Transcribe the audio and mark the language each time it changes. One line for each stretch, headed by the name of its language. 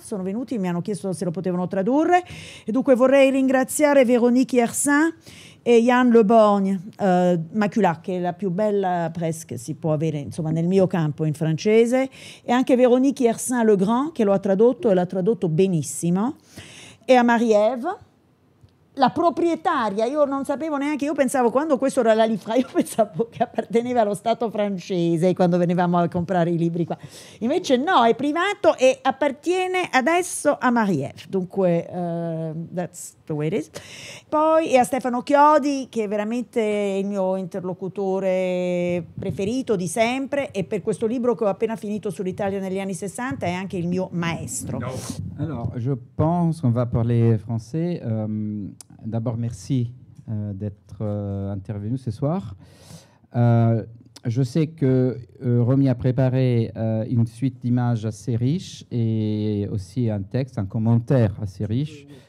Italian: Sono venuti e mi hanno chiesto se lo potevano tradurre. E dunque vorrei ringraziare Véronique Hersin e Yann Le Borgne, Maculat, che è la più bella press che si può avere, insomma, nel mio campo in francese, e anche Véronique Hersin Le Grand, che lo ha tradotto e l'ha tradotto benissimo, e a Marie-Ève, la proprietaria. Io non sapevo neanche, io pensavo, quando questo era la Lifra, io pensavo che apparteneva allo Stato francese quando venivamo a comprare i libri qua. Invece no, è privato e appartiene adesso a Marie-Ève. Dunque,
English: that's the way it is.
Italian: Poi e a Stefano Chiodi, che è veramente il mio interlocutore preferito di sempre e per questo libro che ho appena finito sull'Italia negli anni 60 è anche il mio maestro. No.
French: Allora, je pense qu'on va parler français. D'abord, merci d'être intervenu ce soir. Je sais que Romy a préparé une suite d'images assez riche et aussi un texte, un commentaire assez riche.